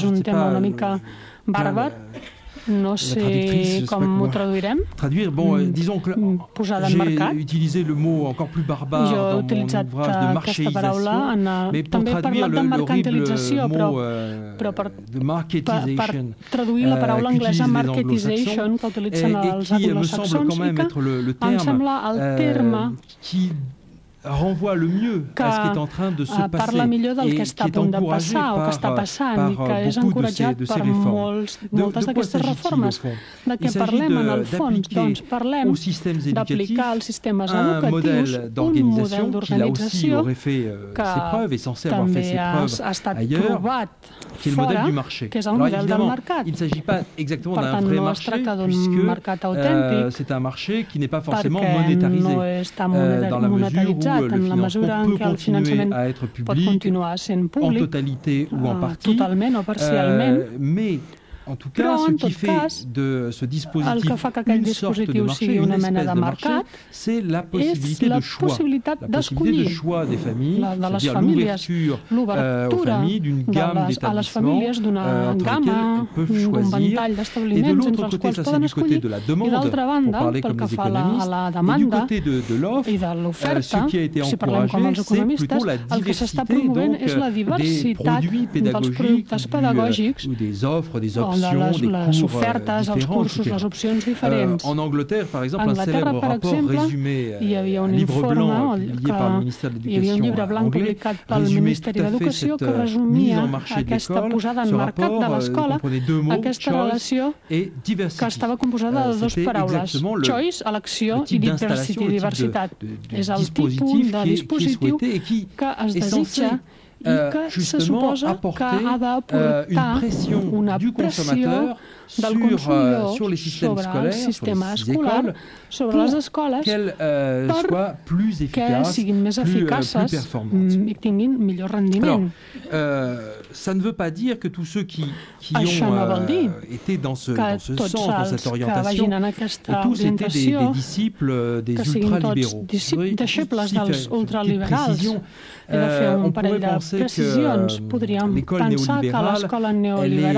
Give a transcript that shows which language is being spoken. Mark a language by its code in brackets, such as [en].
[ca] Un terme une mica barbare. No sé com ho traduirem. Traduir, [fr] bon, disons que j'ai utilisé le mot encore plus barbare [ca] jo [fr] dans mon ouvrage de marchéisation, mais pour traduire l'horrible mot de marketisation, [ca] traduir la paraula anglesa marketisation, que utilitzen els anglosaxons, [fr] et qui me semble quand même être le terme qui renvoie le mieux à ce qui est en train de se passer [ca] parla millor del que està a punt de passar o que està passant i que és encoratjat per moltes d'aquestes reformes. De què parlem en el fons? Doncs parlem d'aplicar als sistemes educatius un model d'organització que també ha estat provat fora, que és el model del mercat. [fr] Il ne s'agit pas exactement d'un vrai marché, puisque c'est un marché qui n'est pas forcément monétarisé dans la mesure où le financement peut continuer à être public en totalité ou en partie, totalement ou partiellement. Mais en tout cas, ce qui fait de ce dispositif une sorte de marché, une espèce de marché, c'est la possibilité de choix. La possibilité de choix des familles, c'est-à-dire l'ouverture aux familles d'une gamme d'établissements entre lesquels peuvent choisir. Et de l'autre côté, ça c'est du côté de la demande, pour parler comme les économistes, et du côté de l'offre, ce qui a été encouragé, c'est plutôt la diversité donc, des produits pédagogiques, ou des offres, des [ca] les ofertes, les cursos, les opcions diferents. [fr] En Angleterre, par exemple, un célèbre rapport résumé, [ca] hi havia un informe publicat pel Ministeri d'Educació que resumia aquesta posada en mercat de l'escola, aquesta relació que estava composada de dues paraules, choice, elecció, i diversitat. És el tipus de dispositiu que es desitja i que se suposa que ha d'aportar una pressió del consumidor sobre el sistema escolar, sobre les escoles, perquè siguin més eficaces i tinguin millor rendiment. [fr] Ça ne veut pas dire que tous ceux qui ont été dans ce sens, dans cette orientation, tous étaient des disciples des ultralibéraux. On pourrait penser que l'école néolibérale, elle est